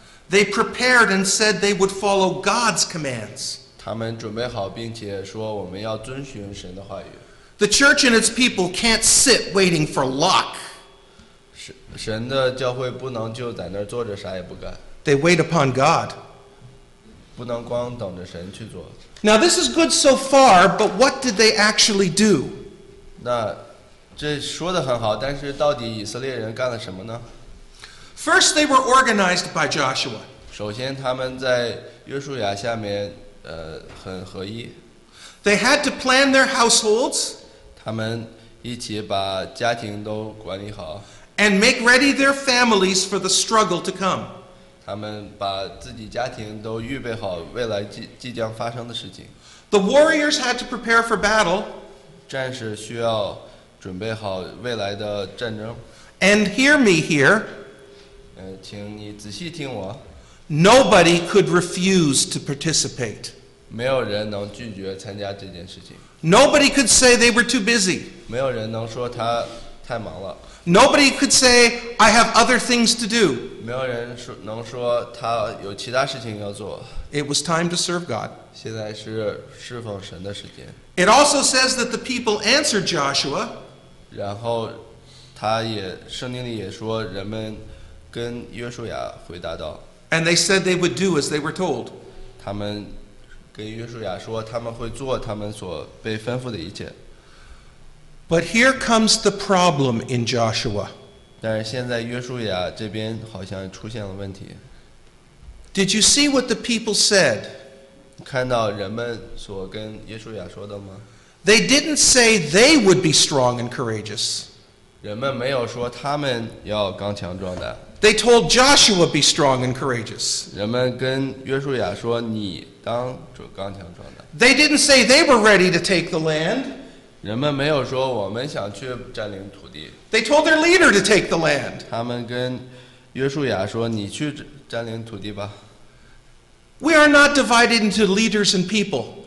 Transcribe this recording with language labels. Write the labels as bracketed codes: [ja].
[en] They prepared and said they would follow God's commands. [zh] 他们准备好并且说我们要遵循神的话语。 [en] The church and its people can't sit waiting for luck. [zh] 神的教会不能就在那儿坐着啥也不干。 [en] They wait upon God. [zh] 不能光等着神去做。 [en] Now this is good so far, but what did they actually do? [zh] 那这说得很好，但是到底以色列人干了什么呢？ [en] First, they were organized by Joshua. [zh] 首先他们在约书亚下面很合一。 [en] They had to plan their households. [zh] 他们一起把家庭都管理好。 [en] And make ready their families for the struggle to come. [zh] 他们把自己家庭都预备好未来即将发生的事情。 [en] The warriors had to prepare for battle. [zh] 战士需要准备好未来的战争。 [en] And hear me here. [zh] 请你仔细听我。 [en] Nobody could refuse to participate. [zh] 没有人能拒绝参加这件事情。 [en] Nobody could say they were too busy. [zh] 没有人能说他太忙了。 [en] Nobody could say, I have other things to do. [zh] 没有人能说他有其他事情要做。 [en] It was time to serve God. [zh] 现在是侍奉神的时间。 [en] It also says that the people answered Joshua. [zh] 然后他也圣经里也说人们跟约书亚回答道。 [en] And they said they would do as they were told. [zh] 他们跟约书亚说他们会做他们所被吩咐的一切。 [en] But here comes the problem in Joshua. [zh] 但是现在约书亚这边好像出现了问题。 [en] Did you see what the people said? [zh] 看到人们所跟约书亚说的吗？ [en] They didn't say they would be strong and courageous. [zh] 人们没有说他们要刚强壮胆。 [en] They told Joshua be strong and courageous. [zh] 人们跟约书亚说你当刚强壮胆。 [en] They didn't say they were ready to take the land. [zh] 人们没有说我们想去占领土地。 [en] They told their leader to take the land. [zh] 他们跟约书亚说你去占领土地吧。 [en] We are not divided into leaders and people.